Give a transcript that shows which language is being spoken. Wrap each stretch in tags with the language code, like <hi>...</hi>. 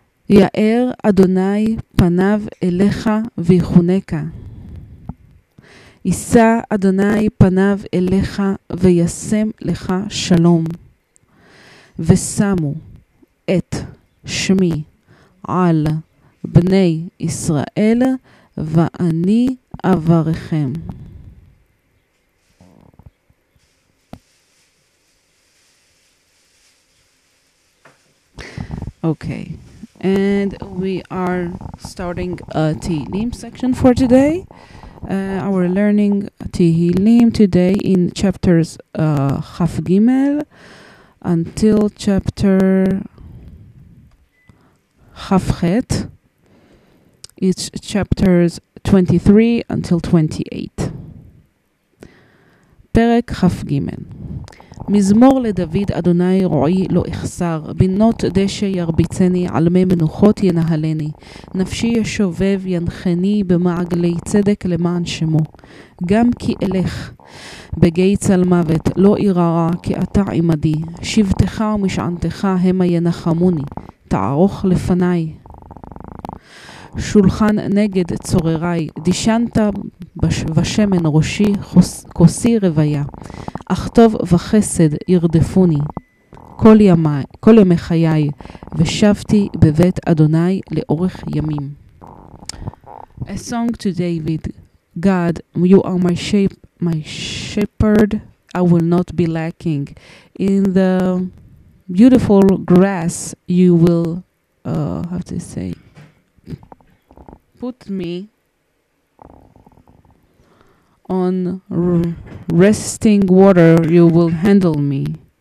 <he>יאר אדוני פניו אליך ויחונקה ישא אדוני פניו אליך וישם לך שלום ושמו את שמי על בני ישראל ואני אברכם</he> <en>אוקיי and we are starting a Teheilim section for today. Our learning Teheilim today in chapters Chaf Gimel until chapter Chaf Chet. It's chapters 23 until 28.</en> <he>Perek Chaf Gimel. מזמור לדוד אדוני רועי לא אחסר, בינות דשא ירביצני, עלמי מנוחות ינהלני, נפשי ישובב ינחני במעגלי צדק למען שמו, גם כי אלך בגי צל מוות לא יראה כי אתה עמדי, שבתך ומשענתך המה ינחמוני, תערוך לפניי. שולחן נגד צורריי, דישנת בשמן ראשי, כוסי רוויה, אך טוב וחסד ירדפוני, כל ימי חיי, ושבתי בבית אדוני לאורך ימים.</he> <en>A song to David. God, you are my shepherd, I will not be lacking. In the beautiful grass you will, how to say, put me on resting water, you will handle me.</en>